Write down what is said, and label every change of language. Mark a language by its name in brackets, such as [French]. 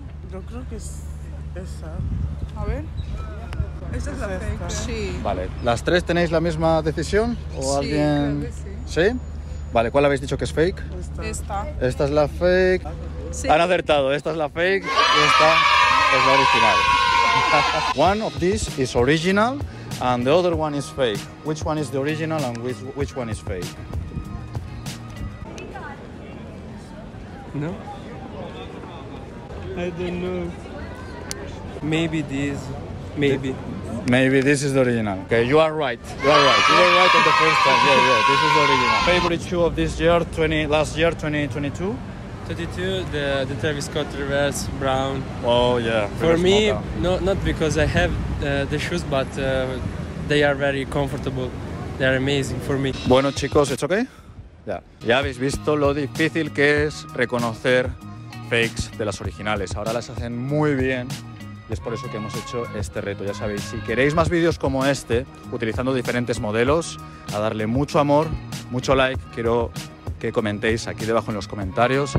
[Spanish] Yo creo que es esa. A ver. Esta es la fake. Sí. Vale, ¿las tres tenéis la misma decisión? ¿O sí, alguien? Creo que sí. ¿Sí? Vale, ¿cuál habéis dicho que es fake? Esta. Esta es la fake. Sí. Han acertado, esta es la fake y esta es la original. [English] One of these is original and the other one is fake. Which one is the original and which one is fake? No? I don't know. Maybe this. Maybe this is the original. Okay, you are right. You are right. You were right on the first time. Yeah, yeah. This is the original. Favorite shoe of this year, 2022? 22, the Travis Scott Reverse Brown. Oh, yeah. For me, not because I have the shoes, but they are very comfortable. They are amazing for me. [Spanish] Bueno, chicos, ¿es okay? Yeah. Ya habéis visto lo difícil que es reconocer fakes de las originales. Ahora las hacen muy bien. Y es por eso que hemos hecho este reto, ya sabéis. Si queréis más vídeos como este, utilizando diferentes modelos, a darle mucho amor, mucho like, quiero que comentéis aquí debajo en los comentarios.